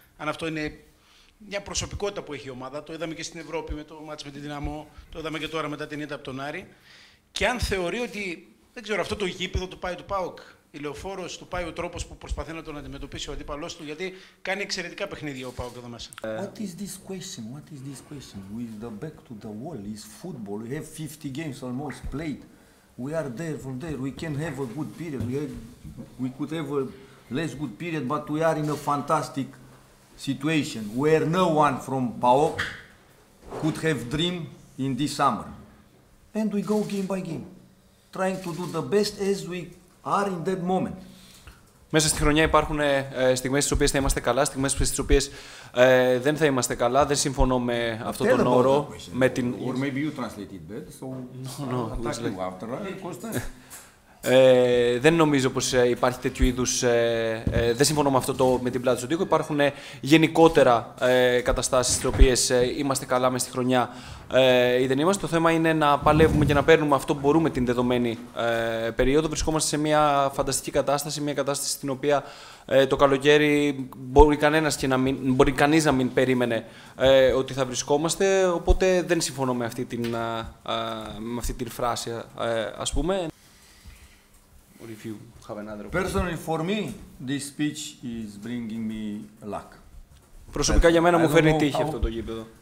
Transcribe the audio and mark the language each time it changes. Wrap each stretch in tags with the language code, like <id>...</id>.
<el>Αν αυτό είναι μια προσωπικότητα που έχει η ομάδα, το είδαμε και στην Ευρώπη με το μάτς με τη Δυναμό, το είδαμε και τώρα μετά την ήττα από τον Άρη. Και αν θεωρεί ότι, δεν ξέρω, αυτό το γήπεδο του πάει του ΠΑΟΚ, η λεωφόρος του πάει, ο τρόπος που προσπαθεί να τον αντιμετωπίσει ο αντίπαλός του, γιατί κάνει εξαιρετικά παιχνίδια ο ΠΑΟΚ εδώ μέσα.</el> <en>What is this question? What is this question? With the back to the wall is football. We have 50 games almost played. We are there from there. We can have a good period. We could have a less good period, but we are in a fantastic situation where no one from PAOK could have dreamed in this summer. And we go game by game, trying to do the best as we are in that moment.</en> <el>Μέσα στη χρονιά υπάρχουν στιγμές στις οποίες θα είμαστε καλά, στιγμές στις οποίες δεν θα είμαστε καλά. Δεν συμφωνώ με αυτό τον όρο. Με την...</el> <en>Or maybe you translated that, so no, attack you after, Kostas.</en> <el>Δεν νομίζω πως υπάρχει τέτοιου είδους, δεν συμφωνώ με αυτό το με την πλάτη του τοίχου. Υπάρχουν γενικότερα καταστάσεις στις οποίες είμαστε καλά μέσα στη χρονιά ή δεν είμαστε. Το θέμα είναι να παλεύουμε και να παίρνουμε αυτό που μπορούμε την δεδομένη περίοδο. Βρισκόμαστε σε μια φανταστική κατάσταση, μια κατάσταση στην οποία το καλοκαίρι μπορεί κανείς να μην περίμενε ότι θα βρισκόμαστε. Οπότε δεν συμφωνώ με αυτή την, με αυτή την φράση, ας πούμε.</el> <en>Or if you have another opinion. Personally, for me, this speech is bringing me luck.</en> <el>Προσωπικά για μένα μου φέρνει τύχη αυτό το γήπεδο.</el>